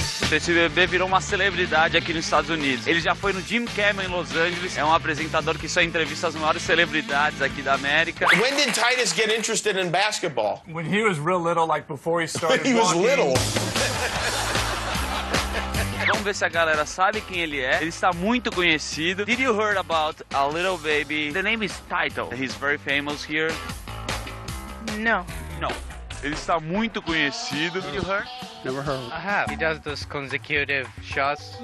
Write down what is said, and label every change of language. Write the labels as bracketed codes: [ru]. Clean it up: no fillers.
[pt] Esse bebê virou uma celebridade aqui nos Estados Unidos. Ele já foi no Jim Cameron em Los Angeles. É um apresentador que só entrevista as maiores celebridades aqui da América. [en] When did Titus get interested in basketball? When he was real little, like before he started he was little. [pt] Vamos ver se a galera sabe quem ele é. Ele está muito conhecido. [en] Did you heard about a little baby? The name is Titus. He's very famous here. No. [pt] No. Ele está muito conhecido. [en] Did you hear? Never heard. I have. He does those consecutive shots.